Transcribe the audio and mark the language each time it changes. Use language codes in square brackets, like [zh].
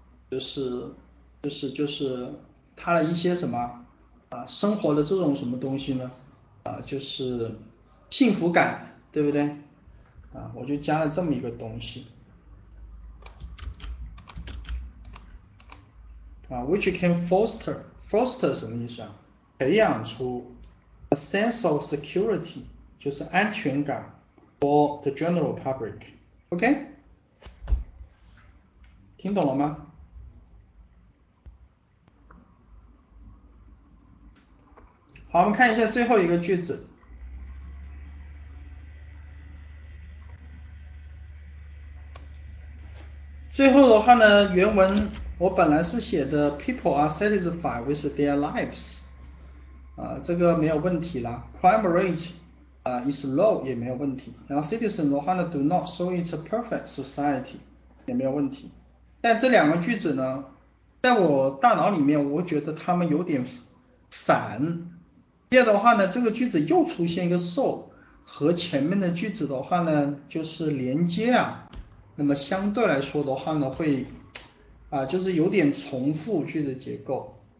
[zh] 就是他的一些什么生活的这种什么东西呢？就是幸福感，对不对？我就加了这么一个东西。 [en] Which can foster [zh] 什么意思啊？培养出 [en] a sense of security， [zh] 就是安全感 [en] for the general public。 OK？ [zh] 听懂了吗？好，我们看一下最后一个句子。最后的话呢，原文我本来是写的 [en] "People are satisfied with their lives"， [zh] 这个没有问题啦。 [en] Crime rate is low [zh] 也没有问题。然后 [en] citizens [zh] 的话呢， [en] do not so it's a perfect society 也没有问题。 [zh] 但这两个句子呢，在我大脑里面，我觉得他们有点散。第二的话呢，这个句子又出现一个 so，和前面的句子的话呢，就是连接啊，那么相对来说的话呢，会就是有点重复句的结构。